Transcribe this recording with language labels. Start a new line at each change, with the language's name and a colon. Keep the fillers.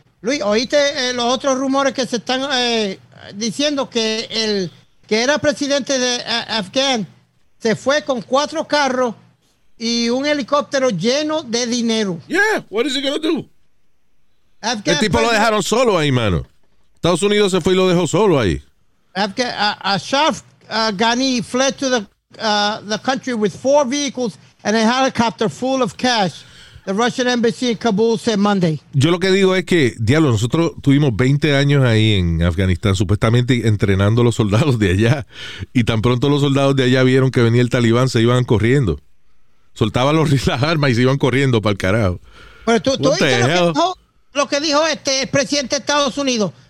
Spanish: Luis, ¿oíste eh, los otros rumores que se están eh, diciendo que el que era presidente de uh, Afganistán se fue con cuatro carros y un helicóptero lleno de dinero.
English: Yeah, what is he gonna do? African el tipo Bernie,
Spanish: lo dejaron solo ahí, mano. Estados Unidos se fue y lo dejó solo ahí.
English: Afghan, Ghani fled to the, uh, the country with four vehicles and a helicopter full of cash. The Russian embassy in Kabul said Monday.
Spanish: Yo lo que digo es que, diablo, nosotros tuvimos 20 años ahí en Afganistán, supuestamente entrenando a los soldados de allá. Y tan pronto los soldados de allá vieron que venía el talibán, se iban corriendo. Soltaban las armas y se iban corriendo para el carajo. Pero tú, tú oíste lo que, dijo, lo que dijo este el presidente de Estados Unidos.